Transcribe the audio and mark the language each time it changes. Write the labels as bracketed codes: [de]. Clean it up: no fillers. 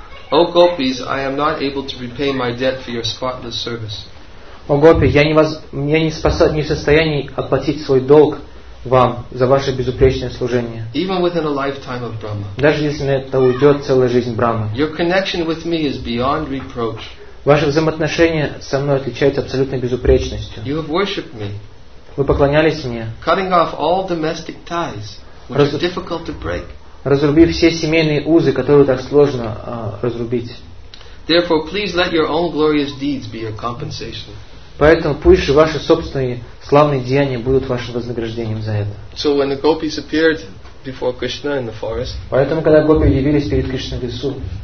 [en] O gopis, I am not able to repay my debt for your spotless service. [ru] О гопи, я не в состоянии оплатить свой долг вам за ваше безупречное служение. [en] Even within a lifetime of Brahma. [ru] Даже если на это уйдет целая жизнь Брахмы. [en] Your connection with me is beyond reproach. [ru] Ваши взаимоотношения со мной отличаются абсолютной безупречностью. [en] You have worshipped me. [ru] Вы поклонялись мне. [en] Cutting off all domestic ties, which is difficult to break. [ru] Разрубив все семейные узы, которые так сложно разрубить. [en] Therefore, please let your own glorious deeds be your compensation. [ru] Поэтому пусть ваши собственные славные деяния будут вашим вознаграждением за это. [en] So when the gopis appeared before Krishna in the forest. [ru] Поэтому когда гопи явились перед Кришной в лесу.